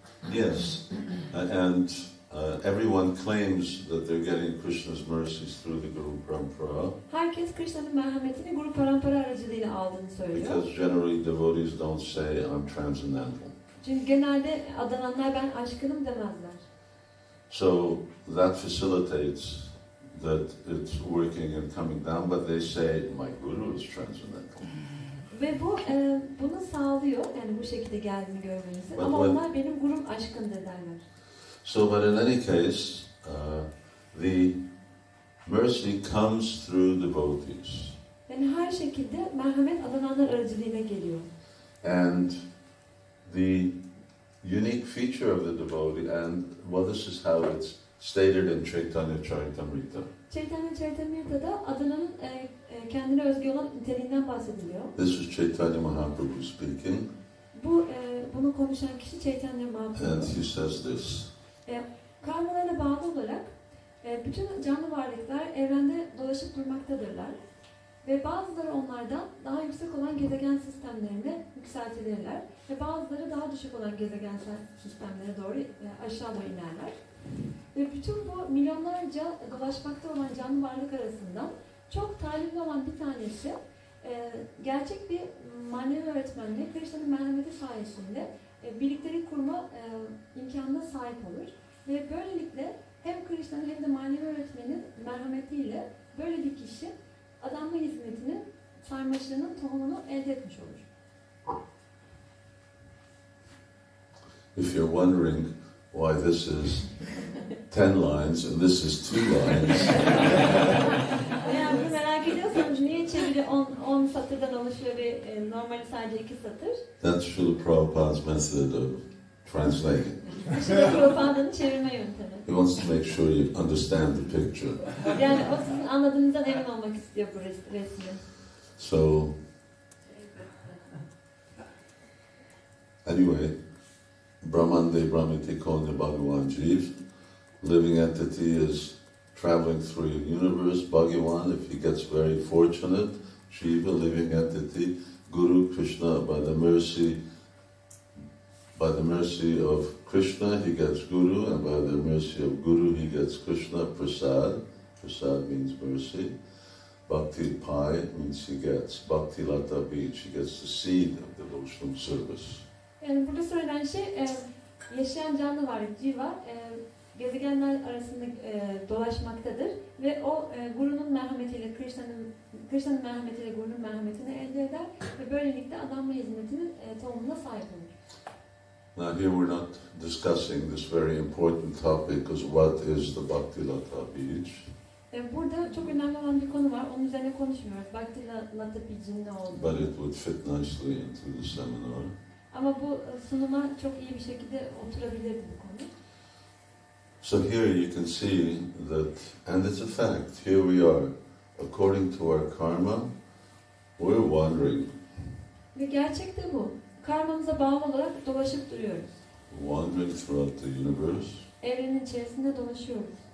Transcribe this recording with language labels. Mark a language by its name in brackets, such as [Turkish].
[English] Yes, and everyone claims that they're getting Krishna's mercies through the Guru Parampara. [Turkish] Herkes Krishna'nın merhametini Guru Parampara aracılığıyla aldığını söylüyor. [English] Because generally devotees don't say I'm transcendental. [Turkish] Çünkü genelde adananlar ben aşkınım demezler. [English] So that facilitates that it's working and coming down, but they say my guru is transcendental. [Turkish] Ve bu bunu sağlıyor, yani bu şekilde geldiğini görmenizi. [English] But [Turkish] ama [English] when, [Turkish] onlar benim gurum aşkın derler. [English] So, but in any case, the mercy comes through devotees. [Turkish] Yani her şekilde merhamet adananlar aracılığıyla geliyor. [English] And the unique feature of the devotee, and well, this is how it's stated in Chaitanya Charitamrita. [Turkish] Chaitanya Charitamrita'da adananın kendine özgü olan niteliğinden bahsediliyor. [English] This is Chaitanya Mahaprabhu speaking. [Turkish] Bu bunu konuşan kişi Chaitanya Mahaprabhu. [English] And he says this. [Turkish] Karmalarına bağlı olarak bütün canlı varlıklar evrende dolaşıp durmaktadırlar ve bazıları onlardan daha yüksek olan gezegen sistemlerine yükseltilirler ve bazıları daha düşük olan gezegen sistemlere doğru aşağı doğru inerler. Ve bütün bu milyonlarca dolaşmakta olan canlı varlık arasında çok talimli olan bir tanesi gerçek bir manevi öğretmenle Krishna'nın merhameti sayesinde birliktelik kurma imkanına sahip olur. Ve böylelikle hem Krishna'nın hem de manevi öğretmenin merhametiyle böyle bir kişi adanma hizmetinin sarmaşığının tohumunu elde etmiş olur. [English] If you're wondering why this is 10 lines and this is 2 lines. [Turkish] Yani merak ediyorsanız niye çeviri 10 satırdan oluşuyor ve normali sadece 2 satır? [English] That's Srila Prabhupada's method of translating. [Turkish] Srila Prabhupada'nın çevirme yöntemi. [English] He wants to make sure you understand the picture. [Turkish] Yani o sizin anladığınızdan emin olmak istiyor bu resmi. [English] So, anyway, Brahmande Brahmite Konya Bhagavan Jeev. Living entity is traveling through your universe. Bhagavan, if he gets very fortunate, Jeeva, living entity, Guru Krishna, by the mercy of Krishna, he gets Guru, and by the mercy of Guru, he gets Krishna Prasad. Prasad means mercy. Bhakti Pai means he gets Bhakti Lata Beach, he gets the seed of devotional service. [Turkish] Yani burada söylenen şey, yaşayan canlı varlık civa gezegenler arasında dolaşmaktadır ve o gurunun merhametiyle, Krishna'nın merhametiyle gurunun merhametini elde eder ve böylelikle adanma hizmetinin tohumuna sahip olur. [English] Now here we're not discussing this very important topic because what is the Bhakti Lata Beach? [Turkish] Burada çok önemli olan bir konu var, onun üzerine konuşmuyoruz. Bhakti Lata Beach'in ne olduğunu. [English] But it would fit nicely into the seminar. [Turkish] Ama bu sunuma çok iyi bir şekilde oturabilirdi bu konu. [English] So here you can see that, and it's a fact, here we are, according to our karma, we're wandering. [Turkish] Ve gerçek de bu. Karmamıza bağlı olarak dolaşıp duruyoruz. [English] Wandering throughout the universe. [Turkish] Evrenin içerisinde dolaşıyoruz.